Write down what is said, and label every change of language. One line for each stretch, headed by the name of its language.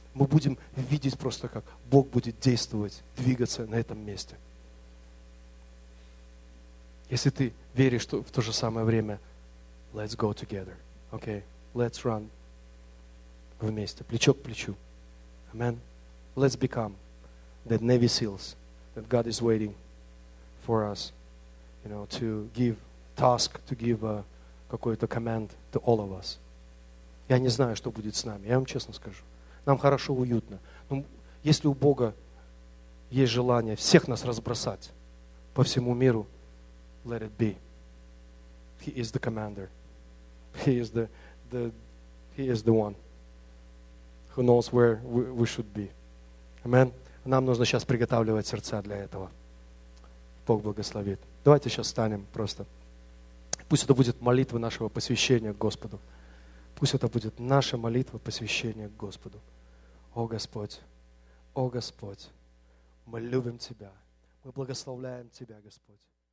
Russian: Мы будем видеть просто, как Бог будет действовать, двигаться на этом месте. Если ты веришь, что в то же самое время,
English: let's go together. Okay? Let's run
Russian: вместе, плечо к плечу.
English: Amen? Let's become the Navy SEALs that God is waiting for us, you know, to give task, to give
Russian: какой-то
English: command to all of us.
Russian: Я не знаю, что будет с нами. Я вам честно скажу. Нам хорошо, уютно. Но если у Бога есть желание всех нас разбросать по всему миру,
English: let it be. He is the commander. He is the one who knows where we should be. Amen.
Russian: Нам нужно сейчас приготавливать сердца для этого. Бог благословит. Давайте сейчас встанем просто. Пусть это будет молитва нашего посвящения Господу. Пусть это будет наша молитва посвящения Господу. О Господь, о Господь, мы любим Тебя, мы благословляем Тебя, Господь.